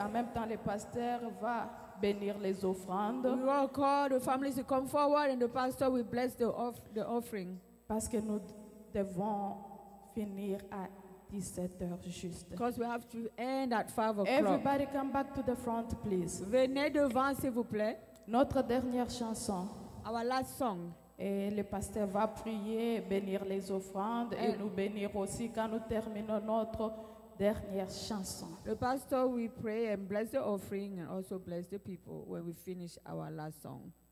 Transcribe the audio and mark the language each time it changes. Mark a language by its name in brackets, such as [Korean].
[French] En même temps, le pasteur va bénir les offrandes. [English] We will call the families to come forward and the pastor will bless the offering. [French] Parce que nous devons finir à 17h juste. [English] Because we have to end at 5 o'clock. Everybody come back to the front, please. [French] Venez devant, s'il vous plaît. Notre dernière chanson. [English] Our last song. [French] Et le pasteur va prier, bénir les offrandes et nous bénir aussi quand nous terminons notre dernière chanson. Le pasteur [English] will pray and bless the offering and also bless the people when we finish our last song.